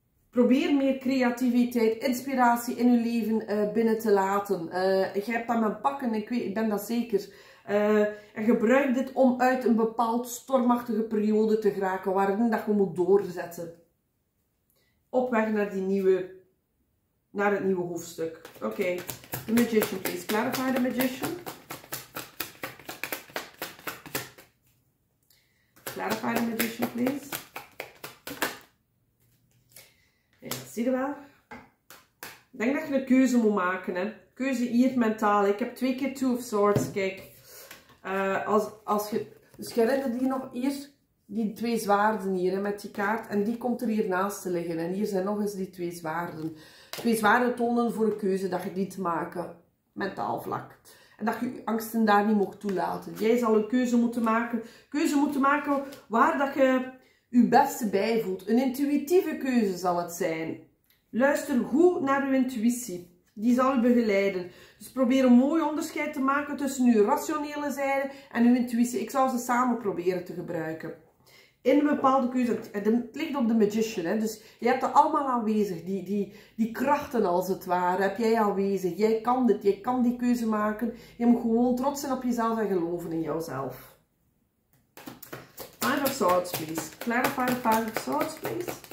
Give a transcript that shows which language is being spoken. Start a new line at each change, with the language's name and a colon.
Dutch: Probeer meer creativiteit, inspiratie in je leven binnen te laten. Je hebt dat met pakken, ik ben dat zeker. En gebruik dit om uit een bepaald stormachtige periode te geraken waarin dat je moet doorzetten. Op weg naar het nieuwe hoofdstuk.
English: Oké, okay. The Magician, please. Clarify the Magician. Clarify the Magician, please.
Dutch: Zie je wel? Ik denk dat je een keuze moet maken. Hè? Keuze hier mentaal. Ik heb twee keer Two of Swords. Kijk. Als je... Dus je herinnert die nog eerst. Die twee zwaarden hier. Hè, met die kaart. En die komt er hier naast te liggen. En hier zijn nog eens die twee zwaarden. Twee zwaarden tonen voor een keuze. Dat je die te maken. Mentaal vlak. En dat je angsten daar niet mocht toelaten. Jij zal een keuze moeten maken. Keuze moeten maken waar dat je... je beste bijvoelt. Een intuïtieve keuze zal het zijn. Luister goed naar uw intuïtie. Die zal u begeleiden. Dus probeer een mooi onderscheid te maken tussen uw rationele zijde en uw intuïtie. Ik zou ze samen proberen te gebruiken. In een bepaalde keuze, het ligt op de magician, hè? Dus je hebt dat allemaal aanwezig, die krachten als het ware, heb jij aanwezig. Jij kan dit, jij kan die keuze maken. Je moet gewoon trots zijn op jezelf en geloven in jouzelf.
English: Five of Swords, please. Clarify the Five of Swords, please.